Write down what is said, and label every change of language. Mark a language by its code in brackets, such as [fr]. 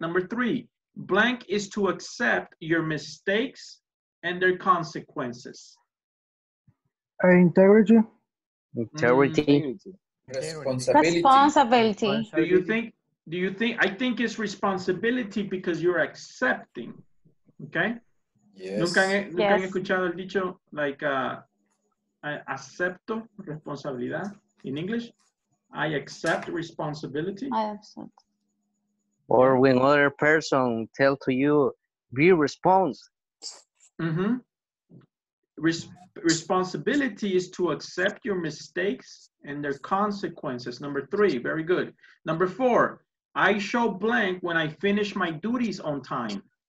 [en] Number three, blank is to accept your mistakes and their consequences. Integrity. Integrity. Responsibility. Do you think, I think it's responsibility because you're accepting, okay? Yes. [es] ¿Nunca han escuchado el dicho, like, acepto responsabilidad [en] in English? I accept responsibility. I accept. Or when other person tell to you, be response. Mm-hmm. Responsibility is to accept your mistakes and their consequences. Number three, very good. Number four, I show blank when I finish my duties on time.